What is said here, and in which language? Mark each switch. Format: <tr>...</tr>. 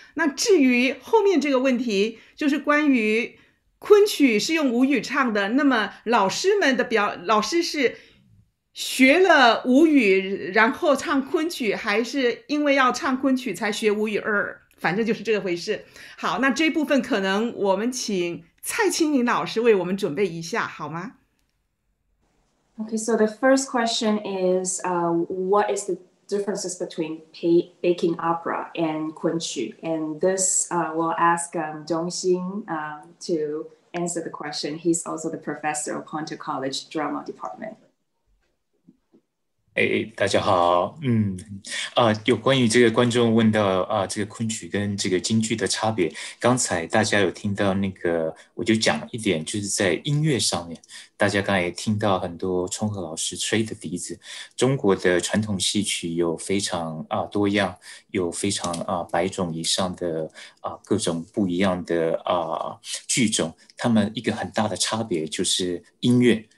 <zh>那至于后面这个问题，就是关于昆曲是用吴语唱的，那么老师们的表，老师是学了吴语然后唱昆曲，还是因为要唱昆曲才学吴语二？反正就是这个回事。好，那这部分可能我们请蔡清林老师为我们准备一下好吗？</zh> <en>Okay, so the first question is what is the differences between baking opera and 昆曲？ And this we'll ask Zhongxin to answer the question. He's also the professor of Hunter College Drama Department.</en> <zh>哎，大家好，有关于这个观众问到这个昆曲跟这个京剧的差别，刚才大家有听到那个，我就讲一点，就是在音乐上面，大家刚才也听到很多冲和老师吹的笛子，中国的传统戏曲有非常多样，有非常百种以上的各种不一样的剧种，他们一个很大的差别就是音乐。</zh>